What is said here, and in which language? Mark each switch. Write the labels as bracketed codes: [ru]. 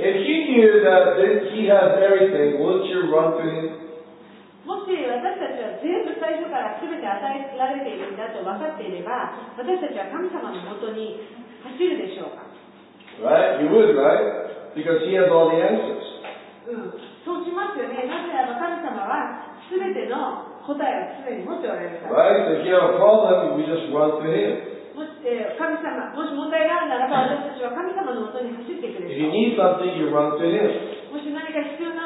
[en] If you knew that he has everything, wouldn't you run to him? [ja] もし私たちは全部最初から全て与えられているんだと分かっていれば、私たちは神様のもとに走るでしょうか。 [en] Right? You would, right? Because he has all the answers. [ja] うん。そうしますよね。なぜなら神様は全ての答えをすでに持っておられるから。 [en] Right? So if you have a problem, we just run to him. [ja] もし問題があるならば、私たちは神様のもとに走ってくれる。 [en] If you need something, you run to him.